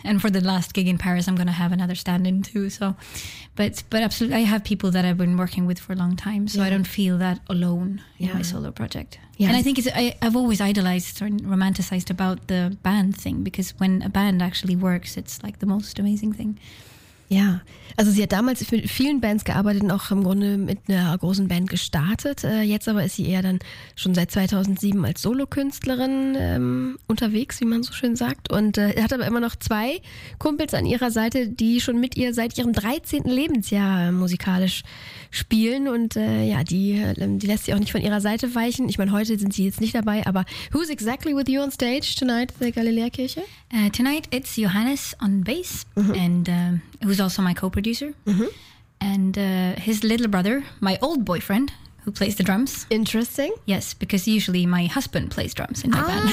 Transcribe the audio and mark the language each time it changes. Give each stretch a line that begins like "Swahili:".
English: And for the last gig in Paris, I'm going to have another stand-in too. So, but absolutely, I have people that I've been working with for a long time. So I don't feel that alone in my solo project. Yes. And I think I've always idolized or romanticized about the band thing, because when a band actually works, it's like the most amazing thing.
German: Ja, also sie hat damals mit vielen Bands gearbeitet und auch im Grunde mit einer großen Band gestartet. Jetzt aber ist sie eher dann schon seit 2007 als Solokünstlerin unterwegs, wie man so schön sagt. Und hat aber immer noch zwei Kumpels an ihrer Seite, die schon mit ihr seit ihrem 13. Lebensjahr musikalisch spielen. Und die lässt sie auch nicht von ihrer Seite weichen. Ich meine, heute sind sie jetzt nicht dabei, aber
English: who's exactly with you on stage tonight at the
German: Galileakirche?
English: Tonight it's Johannes on bass and who's also my co-producer, and his little brother, my old boyfriend, who plays the drums. Interesting. Yes, because usually my husband plays drums in my band.